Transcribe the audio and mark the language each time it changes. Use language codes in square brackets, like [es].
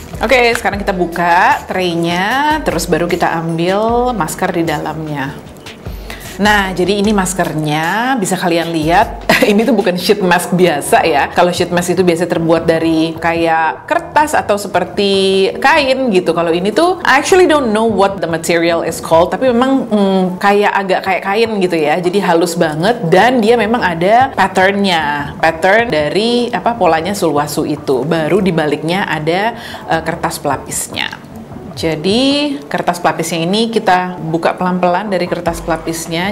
[id] Oke, sekarang kita buka tray-nya, terus baru kita ambil masker di dalamnya. Nah, jadi ini maskernya, bisa kalian lihat. Ini tuh bukan sheet mask biasa ya. Kalau sheet mask itu biasa terbuat dari kayak kertas atau seperti kain gitu. Kalau ini tuh, [en] I actually don't know what the material is called. [id] Tapi memang kayak agak kayak kain gitu ya. Jadi halus banget, dan dia memang ada patternnya. Pattern dari apa polanya Sulwhasoo itu. Baru di baliknya ada kertas pelapisnya. Jadi kertas pelapisnya ini kita buka pelan-pelan dari kertas pelapisnya.